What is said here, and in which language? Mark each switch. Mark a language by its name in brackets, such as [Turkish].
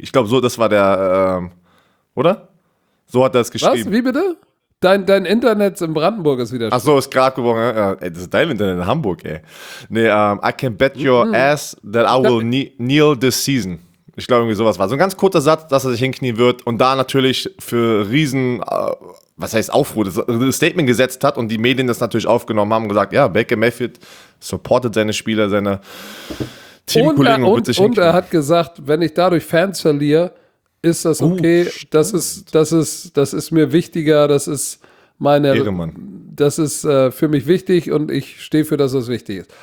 [German] Ich glaube, so das war der, oder? So hat er es geschrieben. Was, wie bitte? Dein Internet in Brandenburg ist wieder schön. Ach so, ist gerade geworden. Ja. Ey, das ist dein Internet in Hamburg, ey. [English] Nee, I can bet your ass that I will kneel this season. [German] Ich glaube, irgendwie sowas war. So ein ganz kurzer Satz, dass er sich hinknien wird und da natürlich für Riesen, was heißt Aufruhr, das Statement gesetzt hat und die Medien das natürlich aufgenommen haben und gesagt, ja, Baker Mayfield supportet seine Spieler, seine Teamkollegen und wird sich hinknien. Und er hat gesagt, wenn ich dadurch Fans verliere, ist das okay, das ist mir wichtiger, das ist für mich wichtig und ich stehe für das, was wichtig ist.